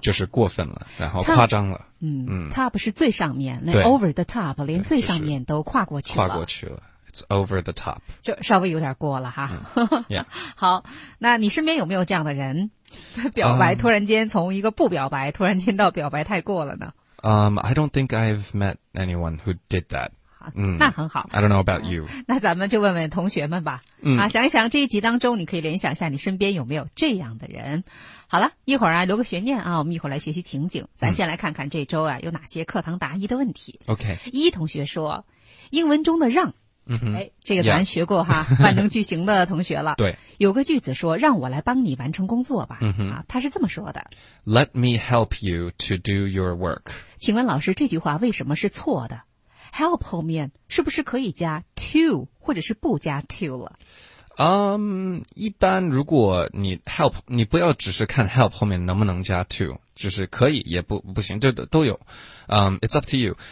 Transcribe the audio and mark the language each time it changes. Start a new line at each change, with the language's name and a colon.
Chinese: 就是过分了，然后夸张了。 Top 是最上面，那 over the top 连最上面都跨过去了。跨过去了。
English: It's over the top.
Chinese: 就稍微有点过了哈。
English: Yeah.
Chinese: 好，那你身边有没有这样的人？表白突然间从一个不表白突然间到表白太过了呢？
English: I don't think I've met anyone who did that.
Chinese: 那很好。
English: I don't know about you.
Chinese: 那咱们就问问同学们吧。想一想这一集当中你可以联想一下你身边有没有这样的人。好了，一会儿啊留个悬念啊，我们一会儿来学习情景。咱先来看看这周啊有哪些课堂答疑的问题。
English: OK。
Chinese: 一同学说英文中的让。这个咱学过哈、
English: yeah.
Chinese: 万能句型的同学了。对。有个句子说让我来帮你完成工作吧。他是这么说的。
English: Let me help you to do your work.
Chinese: 请问老师这句话为什么是错的？ Help 后面是不是可以加 to 或者是不加 to 了？一般如果你 help, 你不要只是看 help 后面能不能加 to, 就是可以也不行就都有。
English: It's up to you.